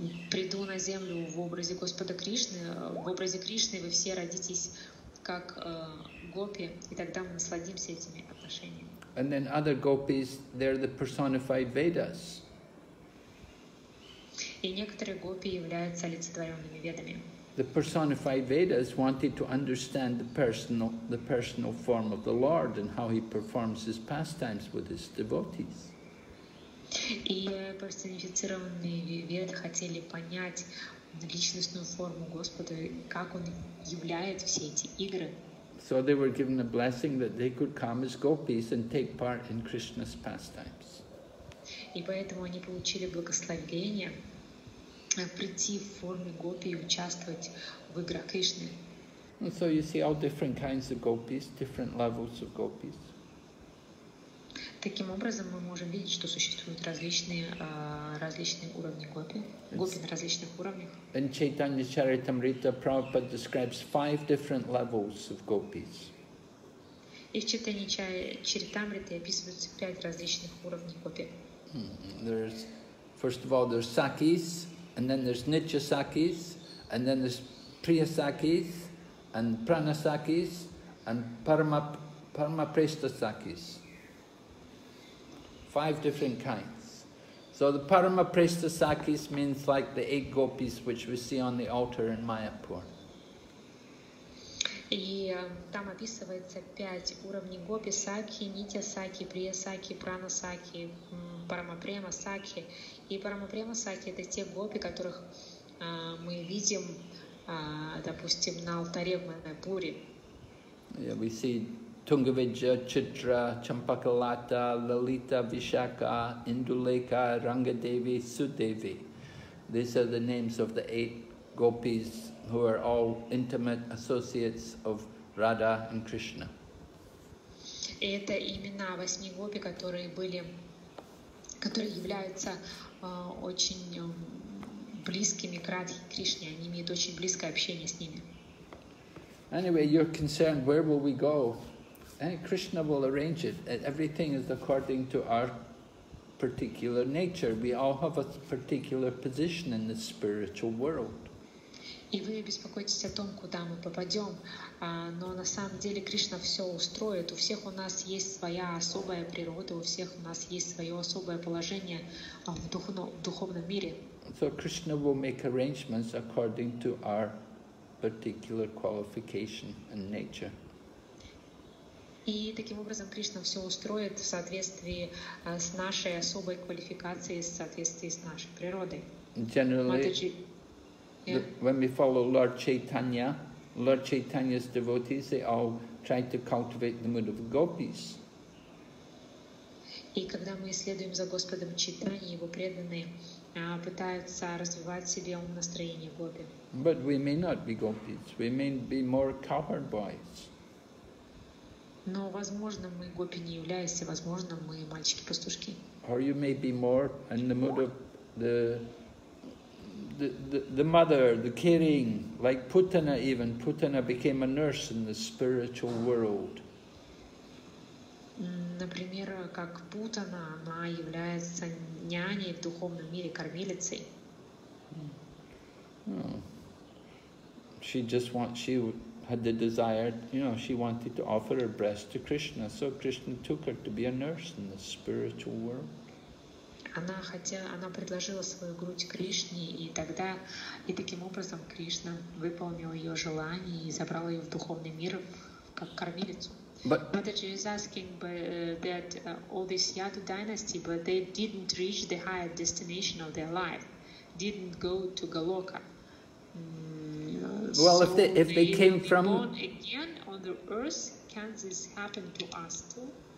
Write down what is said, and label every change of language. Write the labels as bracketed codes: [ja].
[ru] приду на землю в образе Господа Кришны, в образе Кришны вы все родитесь как гопи, и тогда мы насладимся этими отношениями. [en] And then other gopis, they're the personified Vedas. [ru] И некоторые гопи являются олицетворенными ведами. [en] The personified Vedas wanted to understand the personal form of the Lord and how he performs his pastimes with his devotees. [ru] И персонифицированные веды хотели понять личностную форму Господа, как он являет все эти игры. [en] So they were given a blessing that they could come as gopis and take part in Krishna's pastimes. [ru] И поэтому они получили благословение прийти в форме гопи и участвовать в играх Кришны. [en] And so you see all different kinds of gopis, different levels of gopis. [ru] Таким образом мы можем видеть, что существуют различные уровни гопи, гопи на различных уровнях. [en] In Chaitanya Charitamrita, Prabhupada describes 5 different levels of gopis. [ru] И в Чайтанья Чаритамрите описываются 5 различных уровней гопи. [en] There's, first of all, there's sakis, and then there's nitya sakis, and then there's priya sakis, and prana sakis, and parama presta sakis. 5 different kinds. So the Parama Presta Sakis means like the 8 gopis which we see on the altar in Mayapur. [ru] И там описывается 5 уровней гопи: саки, нитья саки, прия саки, прана саки, парамапрема саки. И парамапрема саки — это те гопи, которых мы видим, допустим, на алтаре в Майяпуре. [en] Yeah, we see Tungavijja, Chitra, Champakalata, Lalita, Vishaka, Induleka, Rangadevi, Sudevi. These are the names of the 8 gopis who are all intimate associates of Radha and Krishna. [ru] Это имена 8 гопи, которые являются очень близкими к Радхе Кришне. Они имеют очень близкое общение с ними. [en] Anyway, you're concerned, where will we go? And Krishna will arrange it. Everything is according to our particular nature. We all have a particular position in the spiritual world. [ru] И вы беспокоитесь о том, куда мы попадем, но на самом деле Кришна все устроит. У всех у нас есть своя особая природа, у всех у нас есть свое особое положение в духовном мире. [en] So Krishna will make arrangements according to our particular qualification and nature. [ru] И таким образом Кришна все устроит в соответствии с нашей особой квалификацией, в соответствии с нашей природой. [en] Generally, when we follow Lord Chaitanya's devotees, they all try to cultivate the mood of gopis. [ru] И когда мы следуем за Господом читания, Его преданные пытаются развивать себе ум настроение гопи. [en] But we may not be gopis. We may be more covered boys. [ru] Но, возможно, мы гопи не являемся, возможно, мы мальчики-пастушки. [en] Or you may be more in the mood of the mother, the caring, like Putana even. Putana became a nurse in the spiritual world. [ru] Например, как Путана, она является няней в духовном мире, кормилицей. [en] She just want, she had the desire, you know, she wanted to offer her breast to Krishna, so Krishna took her to be a nurse in the spiritual world. [ru] Она хотела, она предложила свою грудь Кришне, и тогда, и таким образом Кришна выполнил ее желание и забрал ее в духовный мир, как кормилицу. [en] But Mataji is asking that all this Yadu dynasty, but they didn't reach the higher destination of their life, didn't go to Goloka. Well, so if they came from born again on the earth, can this happen to us too?